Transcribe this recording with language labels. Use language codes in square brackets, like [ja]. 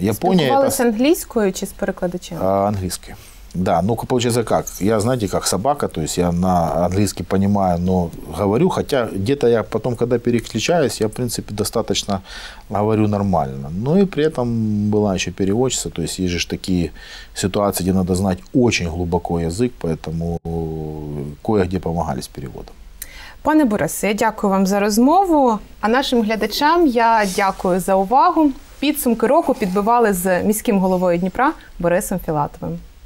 [uk] Японія, спілкувалися это... англійською чи з перекладачем? Англійською. [ru] Да, ну, получается, как? Я, знаете, как собака, то есть я на английский понимаю, но говорю, хотя где-то я потом, когда переключаюсь, я, в принципе, достаточно говорю нормально. Ну, и при этом была еще переводчица, то есть есть же такие ситуации, где надо знать очень глубоко язык, поэтому кое-где помогали с переводом. [uk] Пане Борисе, я дякую вам за розмову, а нашим глядачам я дякую за увагу. Підсумки року підбивали з міським головою Дніпра Борисом Філатовим.